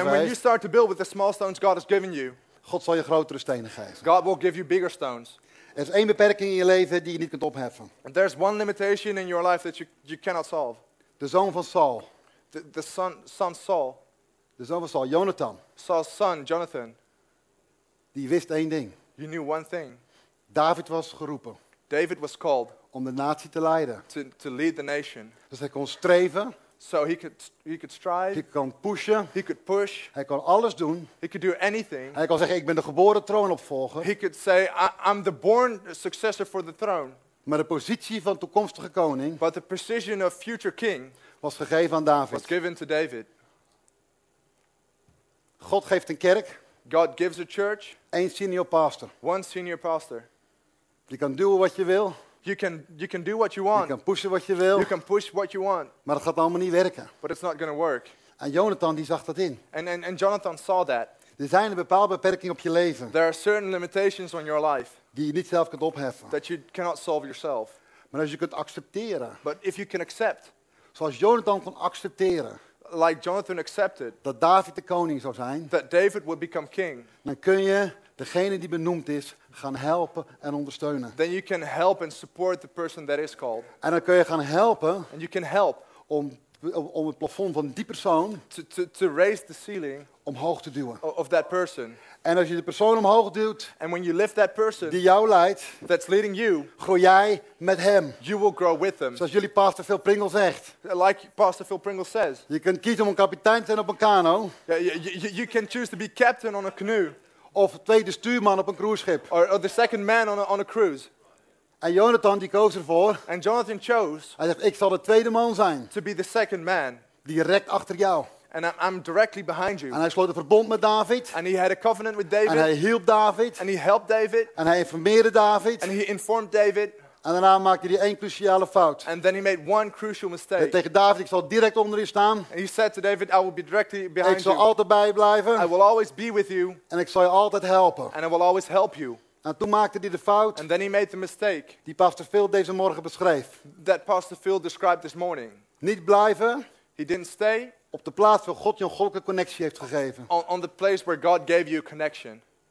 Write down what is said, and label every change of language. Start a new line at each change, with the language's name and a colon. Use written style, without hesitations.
English: And when you start to build with the small stones God has given you.
Dutch: God zal je grotere stenen geven.
English: God will give you bigger stones.
Dutch: Er is één beperking in je leven die je niet kunt opheffen.
English: There's one limitation in your life that you cannot solve.
Dutch: De zoon van Saul.
English: The son Saul.
Dutch: De zoon van Saul, Jonathan.
English: Saul's son, Jonathan.
Dutch: Die wist één ding.
English: He knew one thing.
Dutch: David was geroepen.
English: David was called.
Dutch: Om de natie te leiden.
English: To lead the nation.
Dutch: Dus hij kon streven.
English: So he could strive.
Dutch: Hij kon pushen.
English: He could push.
Dutch: Hij kon alles doen.
English: He could do anything.
Dutch: Hij kon zeggen, ik ben de geboren troonopvolger.
English: He could say, I'm the born successor for the throne.
Dutch: Maar de positie van toekomstige koning.
English: But the position of future king.
Dutch: Was gegeven aan David.
English: Was given to David.
Dutch: God geeft een kerk.
English: God gives a church.
Dutch: Eén senior pastor.
English: One senior pastor.
Dutch: Je kan doen wat je wil.
English: You can do what you want.
Dutch: Je kan pushen wat je wil.
English: You can push what you want.
Dutch: Maar dat gaat allemaal niet werken.
English: But it's not going to work.
Dutch: En Jonathan die zag dat in.
English: And Jonathan saw that.
Dutch: Er zijn een bepaalde beperkingen op je leven.
English: There are certain limitations on your life.
Dutch: Die je niet zelf kunt opheffen.
English: That you cannot solve yourself.
Dutch: Maar als je kunt accepteren.
English: But if you can accept.
Dutch: Zoals Jonathan kon accepteren.
English: Like Jonathan accepted.
Dutch: Dat David de koning zou zijn.
English: That David would become king.
Dutch: Dan kun je degene die benoemd is, gaan helpen en ondersteunen.
English: Then you can help and support the person that is called.
Dutch: En dan kun je gaan helpen.
English: And you can help
Dutch: om het plafond van die persoon
English: to raise the ceiling
Dutch: omhoog te duwen.
English: Of that person.
Dutch: En als je de persoon omhoog duwt,
English: and when you lift that person
Dutch: die jou leidt,
English: that's leading you,
Dutch: groei jij met hem.
English: You will grow with them.
Dutch: Zoals jullie Pastor Phil Pringle zegt.
English: Like Pastor Phil Pringle says.
Dutch: Je kunt kiezen om een kapitein te zijn op een kano.
English: Yeah, you can choose to be captain on a canoe.
Dutch: Of tweede stuurman op een cruiseschip.
English: Or the second man on a cruise.
Dutch: En Jonathan die koos ervoor.
English: And Jonathan chose.
Dutch: Hij zegt, ik zal de tweede man zijn.
English: To be the second man.
Dutch: Direct achter jou.
English: And I'm directly behind you.
Dutch: En hij sloot een verbond met David.
English: And he had a covenant with David.
Dutch: En hij hielp David.
English: And he helped David.
Dutch: En hij informeerde David.
English: And he informed David.
Dutch: En daarna maakte hij één cruciale fout.
English: And then he made one crucial mistake.
Dutch: En tegen David, ik zal direct onder je staan.
English: And he said to David, I will be directly behind
Dutch: you. Ik zal
English: you.
Dutch: Altijd bij je blijven.
English: I will always be with you.
Dutch: En ik zal je altijd helpen.
English: And I will always help you.
Dutch: En toen maakte hij de fout.
English: And then he made the mistake.
Dutch: Die Pastor Phil deze morgen beschreef.
English: That Pastor Phil described this morning.
Dutch: Niet blijven.
English: He didn't stay.
Dutch: Op de plaats waar God je een goddelijke connectie heeft gegeven.
English: On the place where God gave you a connection.